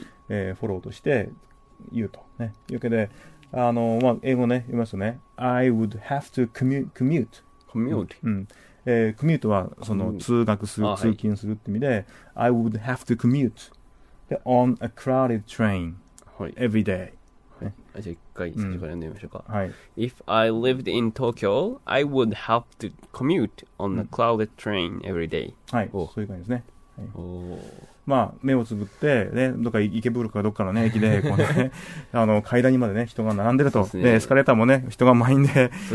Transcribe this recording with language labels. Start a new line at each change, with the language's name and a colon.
Japanese: フォローとして言うと、ね、いうわけで、あの、まあ、英語ね、言いますとね、
English: I would have to commute
Japanese: コミュートはその通学する、通勤するって意味で、はい、
English: I would have to commute
Japanese: で
English: on a crowded train、
Japanese: はい、
English: every day、
Japanese: はい、じゃあ一回先から読んでみましょうか、はい、
English: If I lived in Tokyo I would have to commute on a crowded train every day、
Japanese: うん、はい、そういう感じですね、はい、お、まあ、目をつぶって、ね、どっか池袋かどっかの、ね、駅でこう、ね、あの階段にまで、ね、人が並んでると、で、ね、でエスカレーターも、ね、人が満員で、